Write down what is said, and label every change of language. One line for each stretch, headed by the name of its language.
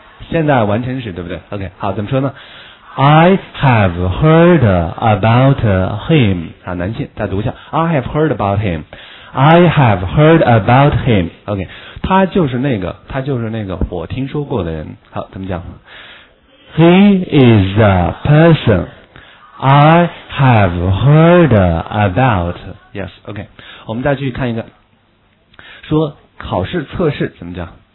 Chinese: 现在完成时，对不对 ？OK, 好，怎么说呢
English: ？I have heard about him.
Chinese: 啊，男性，再读一下。
English: I have heard about him. I have heard about him.
Chinese: OK, 他就是那个我听说过的人。好，怎么讲
English: ？He is the person I have heard about. Yes, OK.
Chinese: 我们再去看一个，说考试测试怎么讲？